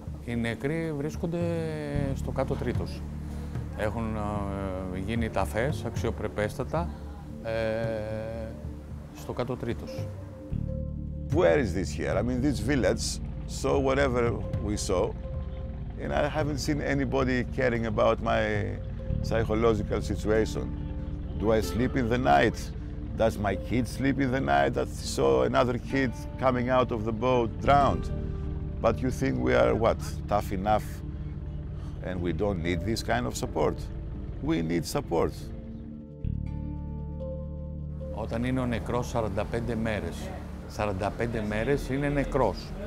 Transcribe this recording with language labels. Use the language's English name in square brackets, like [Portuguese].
[Greek] Οι νεκροί βρίσκονται στο κάτω τρίτος. Έχουν γίνει ταφές, αξιοπρεπέστατα, στο κάτω τρίτος. [English] Where is this here? I mean, this village saw whatever we saw, and I haven't seen anybody caring about my psychological situation. Do I sleep in the night? Does my kid sleep in the night that he saw another kid coming out of the boat drowned? But you think we are, what, tough enough and we don't need this kind of support? We need support. [Greek] Όταν είναι ο νεκρός 45 μέρες. 45 μέρες είναι νεκρός.